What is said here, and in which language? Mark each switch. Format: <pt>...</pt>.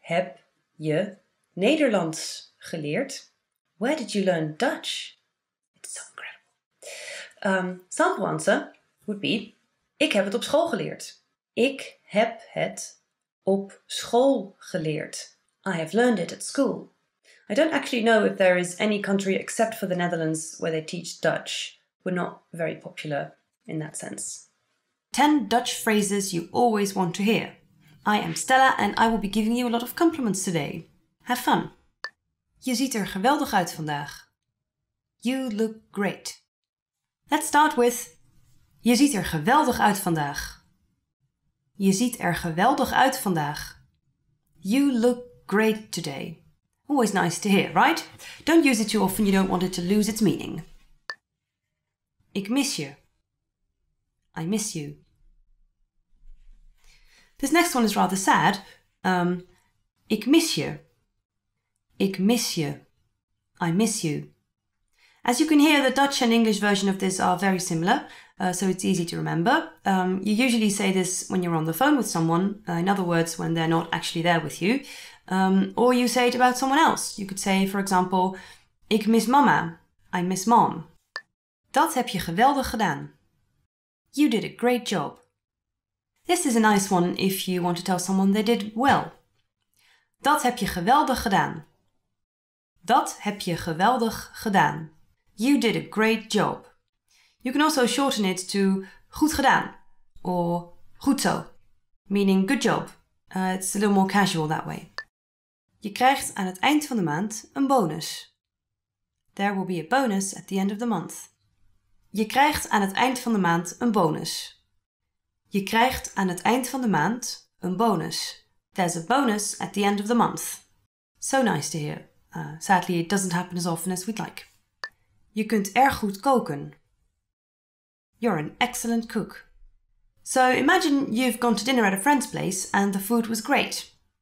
<nl>heb je Nederlands geleerd?</nl> <en>Where did you learn Dutch? It's so incredible. Sample answer would be,</en> <nl>ik heb het op school geleerd. Ik heb het op school geleerd.</nl> <en>I have learned it at school. I don't actually know if there is any country except for the Netherlands where they teach Dutch. We're not very popular in that sense. 10 Dutch phrases you always want to hear. I am Stella and I will be giving you a lot of compliments today. Have fun.</en> <nl>Je ziet er geweldig uit vandaag.</nl> <en>You look great. Let's start with,</en> <nl>je ziet er geweldig uit vandaag. Je ziet er geweldig uit vandaag.</nl> <en>You look great today. Always nice to hear, right? Don't use it too often, you don't want it to lose its meaning.</en> <nl>Ik mis je.</nl> <en>I miss you. This next one is rather sad.</en> <nl>Ik mis je. Ik mis je.</nl> <en>I miss you. As you can hear, the Dutch and English version of this are very similar, so it's easy to remember. You usually say this when you're on the phone with someone, in other words, when they're not actually there with you. Or you say it about someone else. You could say, for example,</en> <nl>ik mis mama.</nl> <en>I miss mom.</en> <nl>Dat heb je geweldig gedaan.</nl> <en>You did a great job. This is a nice one if you want to tell someone they did well.</en> <nl>Dat heb je geweldig gedaan. Dat heb je geweldig gedaan.</nl> <en>You did a great job. You can also shorten it to</en> <nl>goed gedaan</nl> <en>or</en> <nl>goed zo,</nl> <en>meaning good job. It's a little more casual that way.</en> <nl>Je krijgt aan het eind van de maand een bonus.</nl> <en>There will be a bonus at the end of the month.</en> <nl>Je krijgt aan het eind van de maand een bonus. Je krijgt aan het eind van de maand een bonus.</nl> <en>There's a bonus at the end of the month. So nice to hear. Sadly, it doesn't happen as often as we'd like.</en> <nl>Je kunt erg goed koken.</nl> <en>You're an excellent cook. So imagine you've gone to dinner at a friend's place and the food was great.</en>